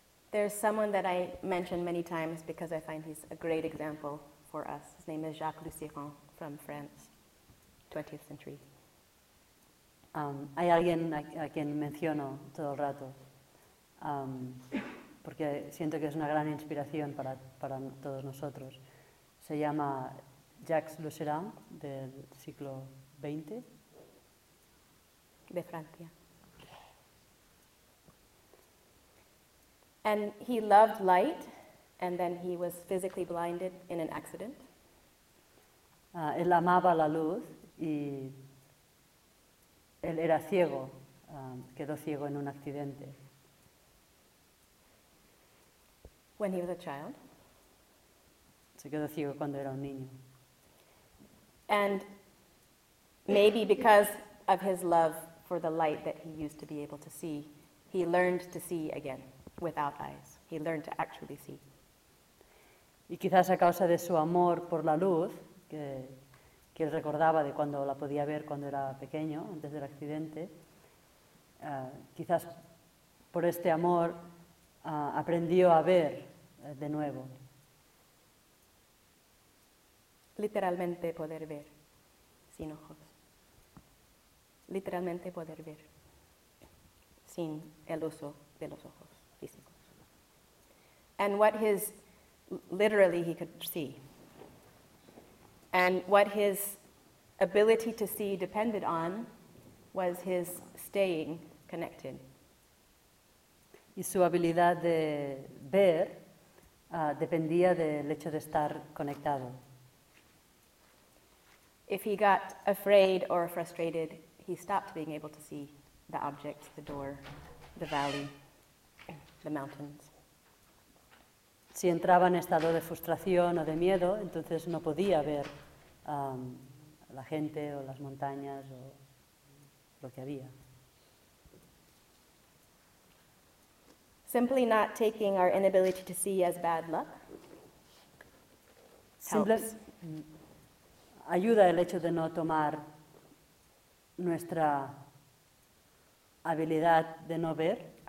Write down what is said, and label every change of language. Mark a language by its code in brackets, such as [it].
[en] There's someone that I mentioned many times because I find he's a great example for us. His name is Jacques Lusseron from France, 20th century. [es] Hay alguien a quien menciono todo el rato, porque siento que es una gran inspiración para todos nosotros. Se llama Jacques Lusseron, del siglo XX. De Francia. [en] And he loved light, and then he was physically blinded in an accident. [es] Él amaba la luz y él era ciego, quedó ciego en un accidente. [en] When he was a child. [es] Se quedó ciego cuando era un niño. [en] And maybe because of his love for the light that he used to be able to see, he learned to see again without eyes. He learned to actually see. [es] Y quizás a causa de su amor por la luz, que él recordaba de cuando la podía ver cuando era pequeño, antes del accidente, quizás por este amor aprendió a ver de nuevo. Literalmente poder ver, sin ojos. Literalmente poder ver, sin el uso de los ojos físicos. [en] And what his, literally he could see. And what his ability to see depended on was his staying connected. [es] Y su habilidad de ver dependía del hecho de estar conectado. [en] If he got afraid or frustrated, he stopped being able to see the object, the door, the valley, the mountains. [es] Si entraba en estado de frustración o de miedo, entonces no podía ver la gente o las montañas o lo que había. [en] Simply not taking our inability to see as bad luck. [es] Ayuda el hecho de no tomar nuestra habilidad de no ver.